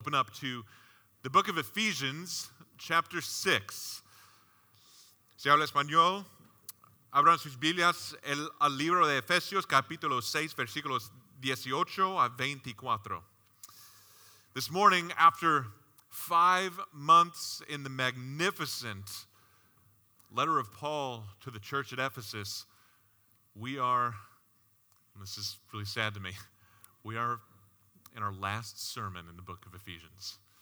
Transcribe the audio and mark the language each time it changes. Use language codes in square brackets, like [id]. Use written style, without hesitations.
[en] open up to the book of Ephesians, chapter 6. [es] Si habla español, abran sus Biblias al libro de Efesios, capítulo 6, versículos 18 a 24. [en] This morning, after 5 months in the magnificent letter of Paul to the church at Ephesus, we are, and this is really sad to me, we are in our last sermon in the book of Ephesians.